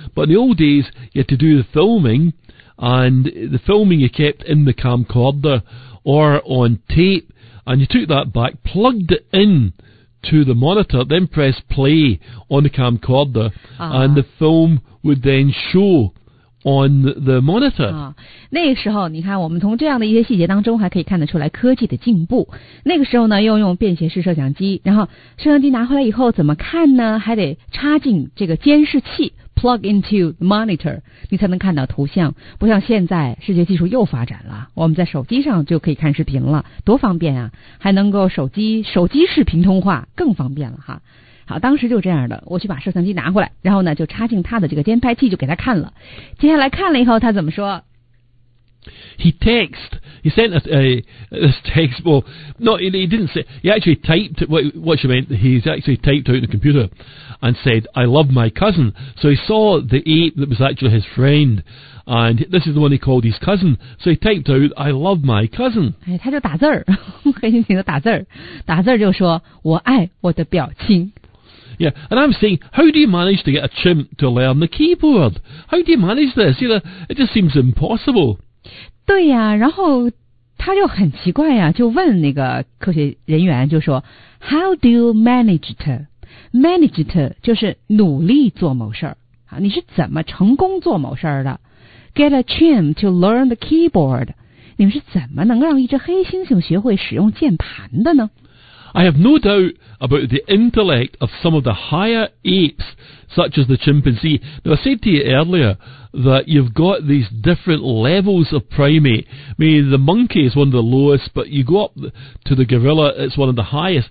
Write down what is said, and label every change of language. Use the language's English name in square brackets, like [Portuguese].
[English] But in the old days, you had to do the filming, and the filming you kept in the camcorder or on tape, and you took that back, plugged it in to the monitor, then pressed play on the camcorder, and the film would then show. On the monitor. [Chinese] 那个时候，你看，我们从这样的一些细节当中还可以看得出来科技的进步。那个时候呢，又用便携式摄像机，然后摄像机拿回来以后怎么看呢？还得插进这个监视器 ， [English] plug into the monitor， [Chinese] 你才能看到图像。不像现在，世界技术又发展了，我们在手机上就可以看视频了，多方便啊！还能够手机视频通话，更方便了哈。好，当时就这样的，我去把摄像机拿回来，然后呢就插进他的这个监拍器，就给他看了。接下来看了以后，他怎么说 [English] ？He text. He sent a text. Well, no, he didn't say. He actually typed what she meant. He's actually typed out the computer and said, "I love my cousin." So he saw the ape that was actually his friend, and this is the one he called his cousin. So he typed out, "I love my cousin." [Chinese] 哎，他就打字儿，很辛勤的打字儿，打字儿就说我爱我的表亲。 [English] Yeah, and I'm saying, how do you manage to get a chimp to learn the keyboard? How do you manage this? You know, it just seems impossible. [Chinese] 对呀、啊，然后他就很奇怪呀、啊，就问那个科学人员，就说 ， [English] How do you manage it? Manage it [Chinese] 就是努力做某事儿啊，你是怎么成功做某事儿的 ？ [English] Get a chimp to learn the keyboard. [Chinese] 你们是怎么能让一只黑猩猩学会使用键盘的呢？ [English] I have no doubt about the intellect of some of the higher apes, such as the chimpanzee. Now, I said to you earlier that you've got these different levels of primate. I mean, the monkey is one of the lowest, but you go up to the gorilla, it's one of the highest.